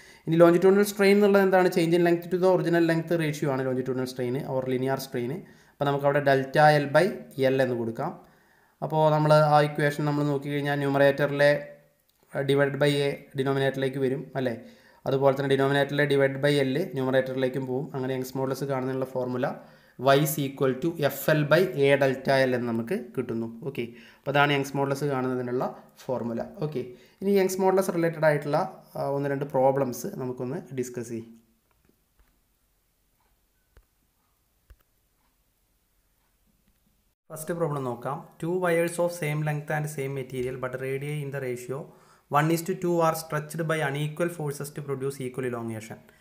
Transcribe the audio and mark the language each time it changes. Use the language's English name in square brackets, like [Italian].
[Malayalam] ഇനി longitudinal strain എന്നുള്ളത് എന്താണ്? [English] change in length to the original length [Malayalam] ratio ആണ് longitudinal strain or linear strain. അപ്പോൾ നമുക്ക് അവിടെ ഡെൽറ്റ എൽ ബൈ എൽ എന്ന് കൊടുക്കാം. അപ്പോൾ നമ്മൾ ആ ഇക്വേഷൻ നമ്മൾ നോക്കിക്കഴിഞ്ഞാൽ ന്യൂമറേറ്ററിലെ ഡിവൈഡ് ബൈ എ ഡിനോമിനേറ്ററിലേക്ക് വരും അല്ലേ, അതുപോലെ തന്നെ ഡിനോമിനേറ്ററിലെ ഡിവൈഡ് ബൈ എല് ന്യൂമറേറ്ററിലേക്കും പോകും. അങ്ങനെ Young's modulus കാണുന്നതിനുള്ള formula [English] y is equal to f l by a delta l [Malayalam] എന്ന് നമുക്ക് കിട്ടുന്നു. ഓക്കെ, അപ്പോൾ അതാണ് യങ്സ് മോഡുലസ് കാണുന്നതിനുള്ള ഫോർമുല. ഓക്കെ, ഇനി യങ്സ് മോഡുലസ് റിലേറ്റഡ് ആയിട്ടുള്ള ഒന്ന് രണ്ട് പ്രോബ്ലംസ് നമുക്കൊന്ന് ഡിസ്കസ് ചെയ്യും. [English] First problem നോക്കാം. Two wires of same length and same material but radii in the ratio 1:2 are stretched by unequal forces to produce equal elongation.